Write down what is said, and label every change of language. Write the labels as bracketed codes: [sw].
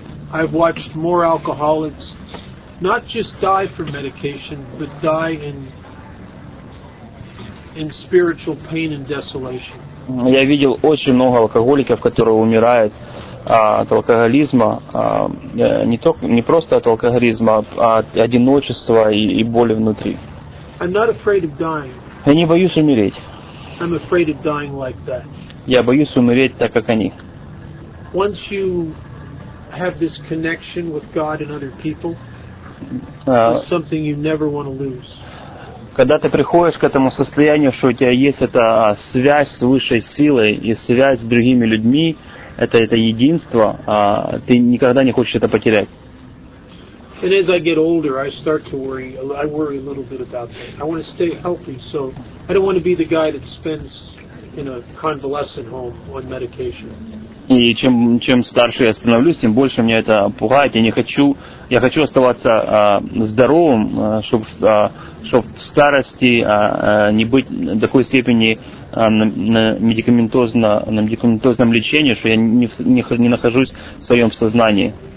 [en] I've watched more alcoholics not just die from medication, but die in spiritual pain and desolation. [ru] Я видел очень много алкоголиков, которые умирают от алкоголизма, не просто от алкоголизма, а от одиночества и боли внутри. [en] I'm not afraid of dying. [ru] Я не боюсь умереть. [en] I'm afraid of dying like that. [ru] Я боюсь умереть так, как они. [en] Once you have this connection with God and other people, it's something you never want to lose. [ru] Когда ты приходишь к этому состоянию, что у тебя есть эта связь с высшей силой и связь с другими людьми, это единство, ты никогда не хочешь это потерять. [en] And as I get older, I start to worry. I worry a little bit about that. I want to stay healthy, so I don't want to be the guy that spends in a convalescent home on medication. [ru] И чем старше я становлюсь, тем больше меня это пугает. Я хочу оставаться здоровым, чтобы в старости не быть в такой степени на медикаментозном лечении, что я не нахожусь в своем сознании.